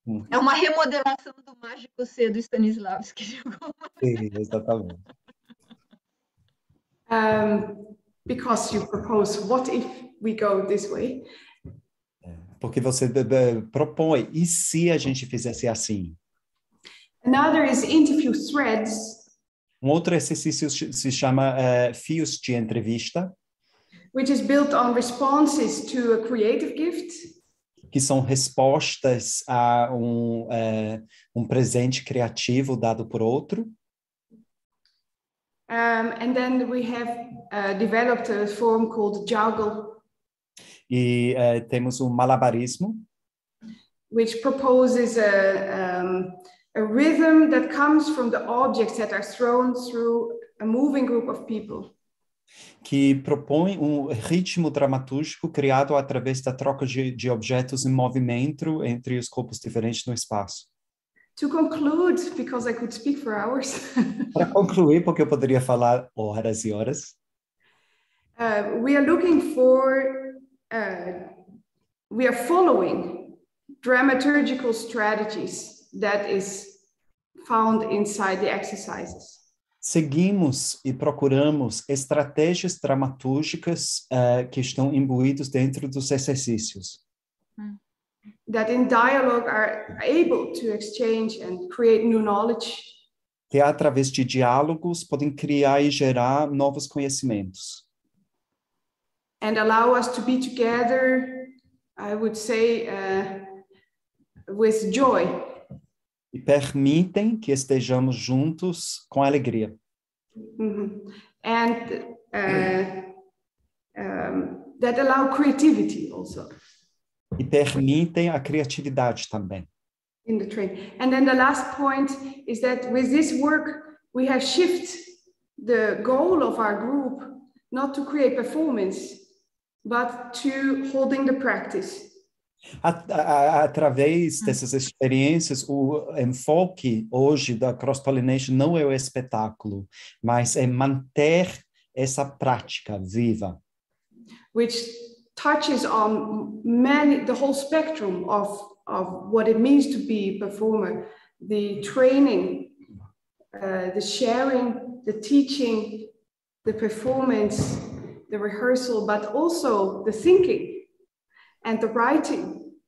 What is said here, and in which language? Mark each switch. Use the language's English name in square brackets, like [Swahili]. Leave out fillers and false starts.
[Portuguese] É uma remodelação do Mágico C do Stanislavski. Sim, exatamente. [English] Because you propose, what if we go this way? [Portuguese] Porque você propõe, e se a gente fizesse assim? [English] Another is interview threads. [Portuguese] Um outro exercício se chama fios de entrevista. [English] Which is built on responses to a creative gift. [Portuguese] Que são respostas a um presente criativo dado por outro. [English] And then we have developed a form called juggle. [Portuguese] E temos um malabarismo. [English] Which proposes a rhythm that comes from the objects that are thrown through a moving group of people. [Portuguese] Que propõe um ritmo dramatúrgico criado através da troca de objetos em movimento entre os corpos diferentes no espaço. [English] To conclude, because I could speak for hours. [Portuguese] Para concluir, porque eu poderia falar horas e horas. [English] We are looking for, we are following dramaturgical strategies that is found inside the exercises. [Portuguese] Seguimos e procuramos estratégias dramatúrgicas que estão imbuídos dentro dos exercícios. [English] That in dialogue are able to exchange and create new knowledge. [Portuguese] Que através de diálogos podem criar e gerar novos conhecimentos. [English] And allow us to be together, I would say, with joy. [Portuguese] E permitem que estejamos juntos com alegria. [English] Mm-hmm. And that allow creativity also. [Portuguese] E permitem a criatividade também. [English] In the train. And then the last point is that with this work we have shift the goal of our group not to create performance but to holding the practice. [Portuguese] Através dessas experiências, o enfoque hoje da cross-pollination não é o espetáculo, mas é manter essa prática viva. [English] Which touches on many, the whole spectrum of what it means to be a performer. The training, the sharing, the teaching, the performance, the rehearsal, but also the thinking and the writing.